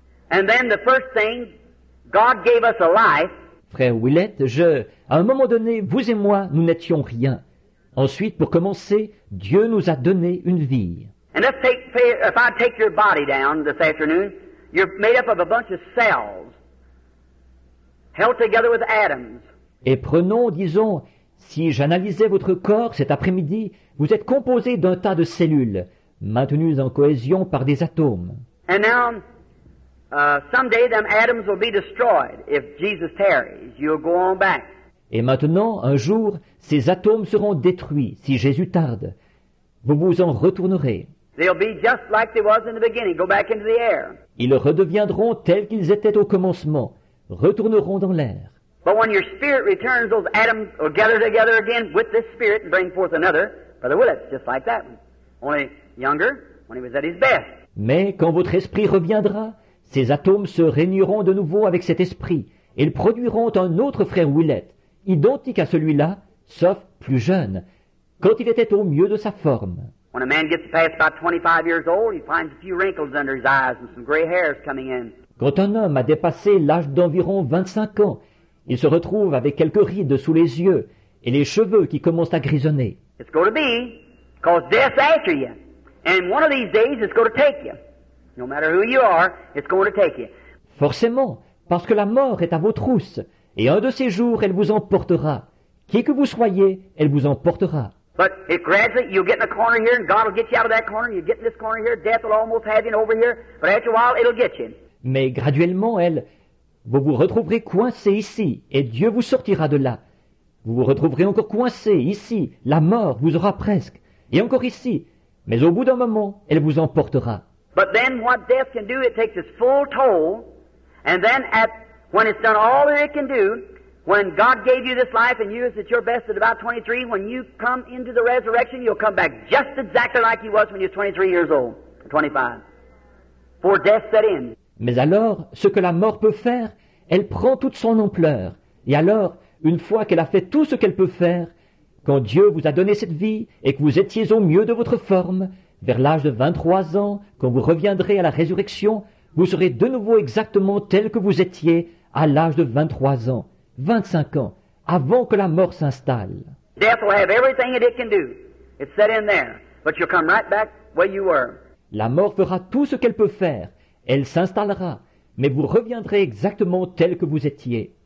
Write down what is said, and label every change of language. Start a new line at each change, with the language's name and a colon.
English: And then the first thing, God gave us a life.
French: Frère Willett, à un moment donné, vous et moi, nous n'étions rien. Ensuite, pour commencer, Dieu nous a donné une vie.
English: And if I take your body down this afternoon, you're made up of a bunch of cells held together with atoms.
French: Et prenons, disons, si j'analysais votre corps cet après-midi, vous êtes composé d'un tas de cellules maintenues en cohésion par des atomes.
English: And now, someday them atoms will be destroyed. If Jesus tarries, you'll go on back.
French: Et maintenant, un jour, ces atomes seront détruits si Jésus tarde. Vous vous en retournerez.
English: They'll be just like they was in the beginning. Go back into the air.
French: Ils redeviendront tels qu'ils étaient au commencement, retourneront dans l'air.
English: But when your spirit returns, those atoms will gather together again with this spirit and bring forth another, Brother Willett, just like that one, only younger, when he was at his best.
French: Mais quand votre esprit reviendra, ces atomes se réuniront de nouveau avec cet esprit. Ils produiront un autre frère Willett, identique à celui-là, sauf plus jeune, quand il était au mieux de sa forme.
English: When a man gets past about 25 years old, he finds a few wrinkles under his eyes and some gray hairs coming in.
French: Quand un homme a dépassé l'âge d'environ 25 ans, il se retrouve avec quelques rides sous les yeux et les cheveux qui commencent à grisonner.
English: It's going to be because death's after you. And one of these days, it's going to take you. No matter who you are, it's going to take you.
French: Forcément, parce que la mort est à vos trousses, et un de ces jours, elle vous emportera. Qui que vous soyez, elle vous emportera.
English: But it gradually, you'll get in a corner here, and God will get you out of that corner. You get in this corner here, death will almost have you over here. But after a while, it'll get you.
French: Mais graduellement, elle, vous vous retrouverez coincé ici, et Dieu vous sortira de là. Vous vous retrouverez encore coincé ici, la mort vous aura presque, et encore ici. Mais au bout d'un moment, elle vous emportera.
English: But then what death can do, it takes its full toll, and then at when it's done all that it can do, when God gave you this life and you is at your best at about 23, when you come into the resurrection, you'll come back just exactly like you was when you were 23 years old, 25. For death set in.
French: Mais alors, ce que la mort peut faire, elle prend toute son ampleur. Et alors, une fois qu'elle a fait tout ce qu'elle peut faire, quand Dieu vous a donné cette vie et que vous étiez au mieux de votre forme, vers l'âge de 23 ans, quand vous reviendrez à la résurrection, vous serez de nouveau exactement tel que vous étiez à l'âge de 23 ans, 25 ans, avant que la mort s'installe.
English: Death will have everything that it can do. It's set in there. But you'll come right back where you were.
French: La mort fera tout ce qu'elle peut faire. Elle s'installera, mais vous reviendrez exactement tel que vous étiez.